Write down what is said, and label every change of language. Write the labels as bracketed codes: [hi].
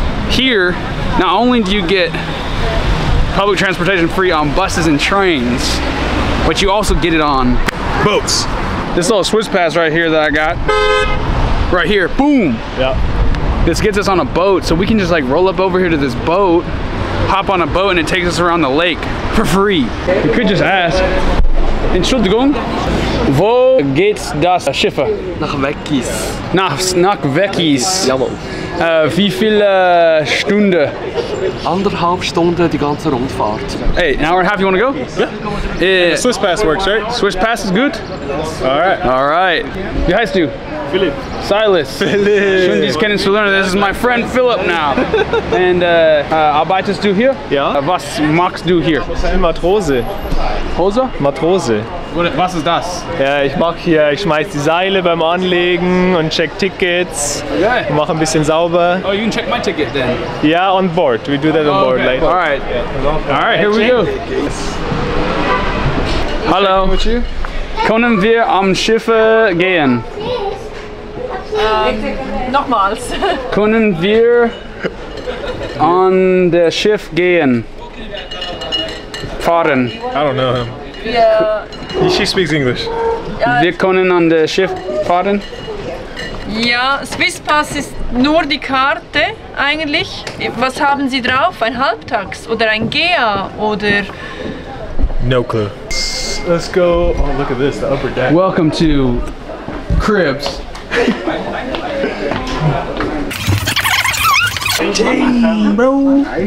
[en] Here, not only do you get public transportation free on buses and trains, but you also get it on boats. This little Swiss Pass right here that I got, right here, boom. Yep. This gets us on a boat, so we can just like roll up over here to this boat, hop on a boat, and it takes us around the lake for free. We could just ask. [de] Entschuldigung, wo geht das Schiff? Nach Weckis. Nach Weckis. Jawohl. Wie viele Stunden? Anderthalb Stunden die ganze Rundfahrt. [en] Hey, an hour and a half, you want to go? Yeah. Swiss Pass works, right? Swiss Pass is good? All right. [de] Wie heißt du? Philipp. Silas. Philipp. Schön, dich kennenzulernen. [en] This is my friend Philipp now. And [de] arbeitest du hier? Ja. Was machst du hier? Ich bin Matrose. Hose? Matrose. Was ist das? Ja, ich schmeiß die Seile beim Anlegen und check Tickets. Okay. Mach ein bisschen sauber. [en] Oh, you can check my ticket then? Yeah, on board. We do that on board later. All right. Yeah. All right, here we go. [de] Hallo. [en] With you? [de] Können wir am Schiff gehen? Nochmals. Können wir an der Schiff gehen? Fahren. [en] I don't know him. Yeah. She speaks English. [de] Wir können an der Schiff fahren? Ja, Swiss Pass ist nur die Karte eigentlich. Was haben Sie drauf? Ein Halbtags oder ein GEA oder? [en] No clue. Let's go. Oh, look at this, the upper deck. Welcome to Cribs. Dang, bro.